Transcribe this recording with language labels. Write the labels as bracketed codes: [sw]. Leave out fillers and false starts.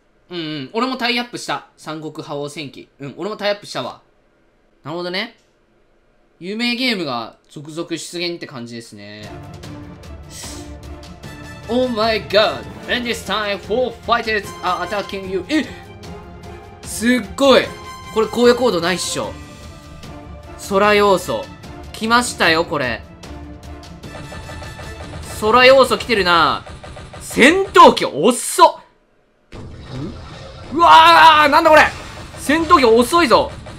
[ja] うんうん、俺もタイアップした。三国覇王戦記、うん、俺もタイアップしたわ。なるほどね、有名ゲームが続々出現って感じですね。 [en] Oh my god and this time four fighters are attacking you。 [ja] え、すっごい、これ荒野コードないっしょ。空要素来ましたよ、これ。空要素来てるな。戦闘機遅っ。うわあ、なんだこれ。戦闘機遅いぞ。